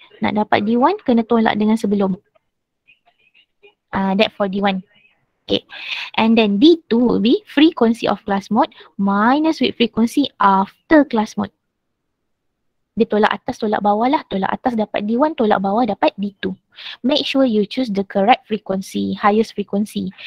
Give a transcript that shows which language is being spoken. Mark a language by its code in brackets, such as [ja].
[ms] Nak dapat D1 kena tolak dengan sebelum. [en] That for D1. Okay. And then D2 will be frequency of class mode minus with frequency after class mode. [ms] Dia tolak atas, tolak bawah lah. Tolak atas dapat D1, tolak bawah dapat D2. [en] Make sure you choose the correct frequency, highest frequency.